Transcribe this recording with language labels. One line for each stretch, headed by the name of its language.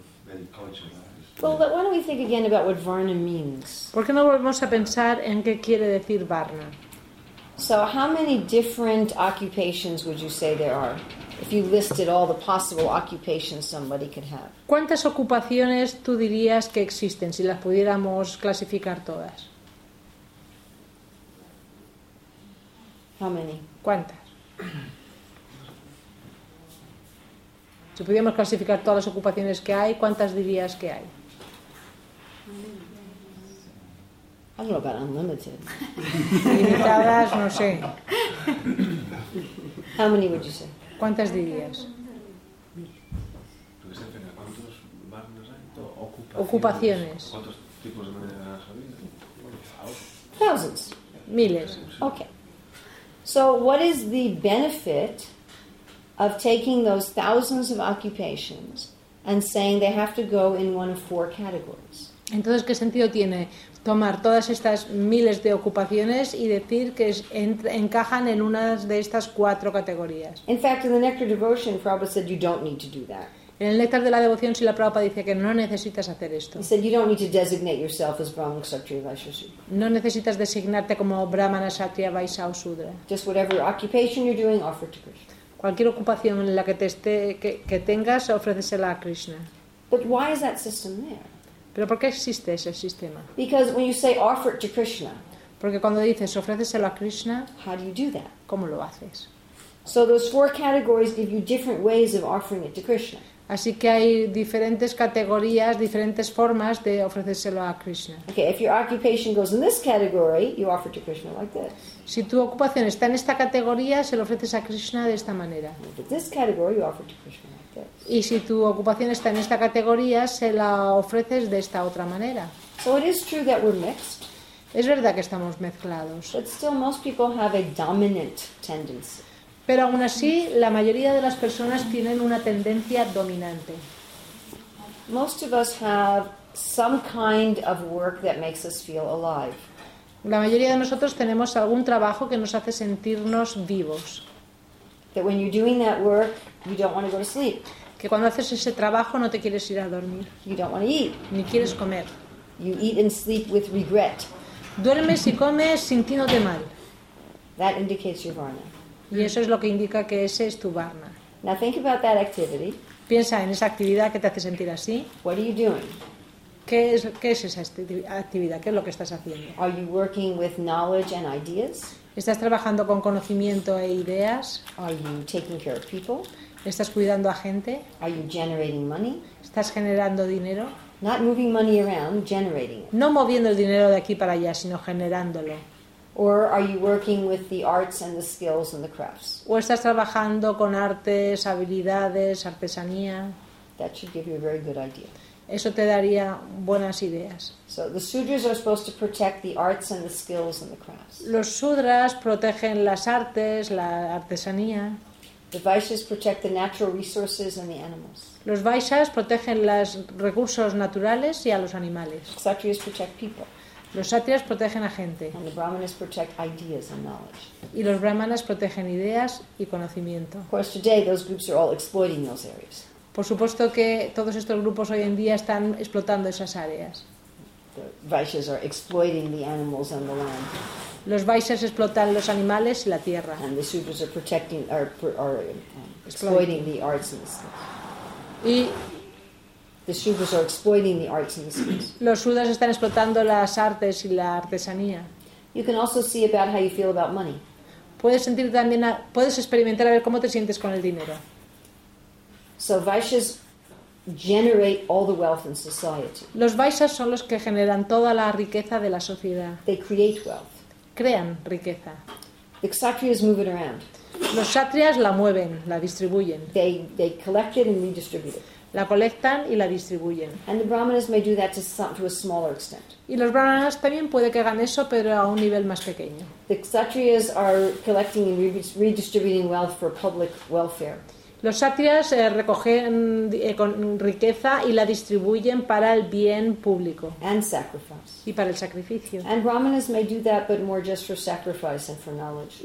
English: Well, but why don't we think again about what varna means?
Spanish: ¿Por qué no volvemos a pensar en qué quiere decir varna?
English: So, how many different occupations would you say there are, if you listed all the possible occupations somebody could have?
Spanish: ¿Cuántas ocupaciones tú dirías que existen si las pudiéramos clasificar todas?
English: How many?
Spanish: ¿Cuántas? Si pudiéramos clasificar todas las ocupaciones que hay, ¿cuántas dirías que hay?
English: I don't know about unlimited.
Spanish: Limitadas, no sé.
English: How many would you say?
Spanish: ¿Cuántas dirías? ¿Tú qué se refiere? ¿Cuántos varnas hay? Ocupaciones. ¿Cuántos tipos de varnas hay?
English: Thousands.
Spanish: Miles.
English: Okay. So, what is the benefit of taking those thousands of occupations and saying they have to go in one of four categories?
Spanish: Entonces, ¿qué sentido tiene tomar todas estas miles de ocupaciones y decir que encajan en una de estas cuatro categorías?
English: In fact, in the Nectar Devotion, Prabhupada said you don't need to do that.
Spanish: En el Néctar de la Devoción, Srila Prabhupada dice que no necesitas hacer esto.
English: He said you don't need to designate yourself as Brahman, Kshatriya, Vaishya, Shudra.
Spanish: No necesitas designarte como Brahmana, Kshatriya, Vaishya, Shudra.
English: Just whatever occupation you're doing, offer to Krishna.
Spanish: Cualquier ocupación en la que te esté que tengas, ofrécesela a Krishna.
English: But why is that system there?
Spanish: ¿Pero por qué existe ese sistema?
English: Because when you say offer it to Krishna.
Spanish: Porque cuando dices ofrécesela a Krishna,
English: how do you do that?
Spanish: ¿Cómo lo haces?
English: So those four categories give you different ways of offering it to Krishna.
Spanish: Así que hay diferentes categorías, diferentes formas de ofrecérselo a Krishna.
English: Okay, if your occupation goes in this category, you offer to Krishna like this.
Spanish: Si tu ocupación está en esta categoría, se lo ofreces a Krishna de esta manera.
English: In this category, you offer to Krishna like this.
Spanish: Y si tu ocupación está en esta categoría, se la ofreces de esta otra manera.
English: So it is true that we're mixed.
Spanish: Es verdad que estamos mezclados.
English: But still, most people have a dominant tendency.
Spanish: Pero aún así, la mayoría de las personas tienen una tendencia dominante.
English: Most of us have some kind of work that makes us feel alive.
Spanish: La mayoría de nosotros tenemos algún trabajo que nos hace sentirnos vivos.
English: That when you're doing that work, you don't want to go to sleep.
Spanish: Que cuando haces ese trabajo no te quieres ir a dormir.
English: You don't want to eat.
Spanish: Ni quieres comer.
English: You eat and sleep with regret.
Spanish: Duermes y comes sintiéndote mal.
English: That indicates your varna.
Spanish: Y eso es lo que indica que ese es tu varna.
English: Now think about that activity.
Spanish: Piensa en esa actividad que te hace sentir así.
English: What are you doing?
Spanish: ¿Qué es esa actividad? ¿Qué es lo que estás haciendo?
English: Are you working with knowledge and ideas?
Spanish: ¿Estás trabajando con conocimiento e ideas?
English: Are you taking care of people?
Spanish: ¿Estás cuidando a gente?
English: Are you generating money?
Spanish: ¿Estás generando dinero?
English: Not moving money around, generating it.
Spanish: No moviendo el dinero de aquí para allá, sino generándolo.
English: Or are you working with the arts and the skills and the crafts?
Spanish: ¿O estás trabajando con artes, habilidades, artesanía?
English: That should give you a very good idea.
Spanish: Eso te daría buenas ideas.
English: So the sutras are supposed to protect the arts and the skills and the crafts.
Spanish: Los sutras protegen las artes, la artesanía.
English: The vaishyas protect the natural resources and the animals.
Spanish: Los vaishyas protegen los recursos naturales y a los animales.
English: Kshatriyas protect people.
Spanish: Los sátiras protegen a gente.
English: And the brahmanas protect ideas and knowledge.
Spanish: Y los brahmanas protegen ideas y conocimiento.
English: Of course, today those groups are all exploiting those areas.
Spanish: Por supuesto que todos estos grupos hoy en día están explotando esas áreas.
English: The vaishyas are exploiting the animals and the land.
Spanish: Los vaishyas explotan los animales y la tierra.
English: And the sutras are protecting exploiting the arts and the skills.
Spanish: Y
English: the sutras are exploiting the arts and the skills.
Spanish: Los sutras están explotando las artes y la artesanía.
English: You can also see about how you feel about money.
Spanish: Puedes sentir también, puedes experimentar a ver cómo te sientes con el dinero.
English: So Vaishyas generate all the wealth in society.
Spanish: Los Vaishyas son los que generan toda la riqueza de la sociedad.
English: They create wealth.
Spanish: Crean riqueza.
English: The Kshatriyas move it around.
Spanish: Los Kshatriyas la mueven, la distribuyen.
English: They collect it and redistribute it.
Spanish: La colectan y la distribuyen.
English: And the Brahmanas may do that to a smaller extent.
Spanish: Y los Brahmanas también puede que hagan eso, pero a un nivel más pequeño.
English: The Kshatriyas are collecting and redistributing wealth for public welfare.
Spanish: Los Kshatriyas recogen riqueza y la distribuyen para el bien público.
English: And sacrifice.
Spanish: Y para el sacrificio.
English: And Brahmanas may do that, but more just for sacrifice and for knowledge.